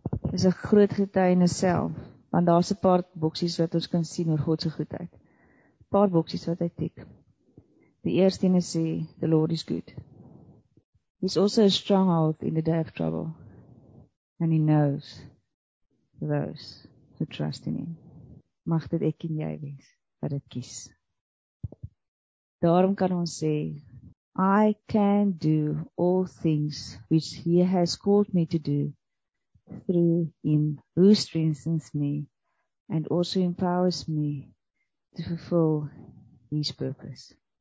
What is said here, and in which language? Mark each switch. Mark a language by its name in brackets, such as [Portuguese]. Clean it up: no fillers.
[Afrikaans] Vers 7 is 'n groot getuienis self, want daar's 'n paar boksies wat ons kan sien oor God se goedheid. Paar boksies wat hy tik. Die eerste een is [English] the Lord is good. He's also a stronghold in the day of trouble, and he knows those who trust in him. [Afrikaans] Mag dit ek en jy wees wat dit kies. Daarom kan ons sê [English] I can do all things which he has called me to do through him who strengthens me and also empowers me to fulfill his purpose.